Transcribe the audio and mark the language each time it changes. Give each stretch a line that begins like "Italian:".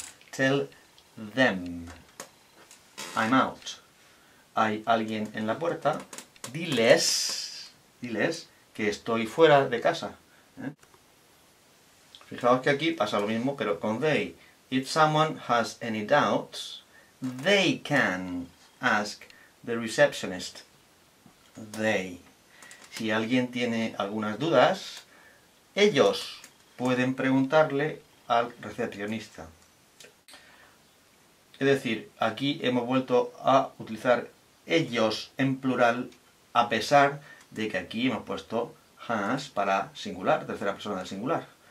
English: Tell them, I'm out.
Spanish: Hay alguien en la puerta. Diles que estoy fuera de casa. Fijaos que aquí pasa lo mismo, pero con they.
English: If someone has any doubts, they can ask the receptionist. They.
Spanish: Si alguien tiene algunas dudas, ellos pueden preguntarle al recepcionista. Es decir, aquí hemos vuelto a utilizar ellos en plural, a pesar de que aquí hemos puesto has para singular, tercera persona del singular.